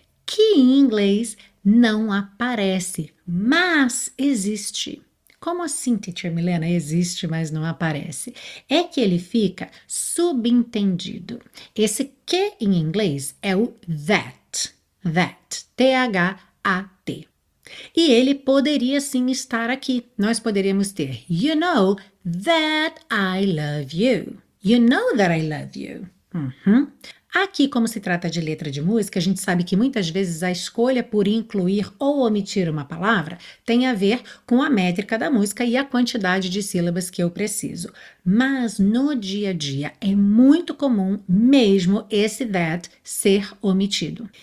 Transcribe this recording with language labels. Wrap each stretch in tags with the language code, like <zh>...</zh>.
<pt>Que em inglês não aparece, mas existe. Como assim, teacher Milena? Existe, mas não aparece. É que ele fica subentendido. Esse que em inglês é o that, THAT. E ele poderia sim estar aqui. Nós poderíamos ter,</pt> <en>you know that I love you. You know that I love you.</en> <pt>Aqui, como se trata de letra de música, a gente sabe que muitas vezes a escolha por incluir ou omitir uma palavra tem a ver com a métrica da música e a quantidade de sílabas que eu preciso. Mas no dia a dia é muito comum mesmo esse that ser omitido.</pt>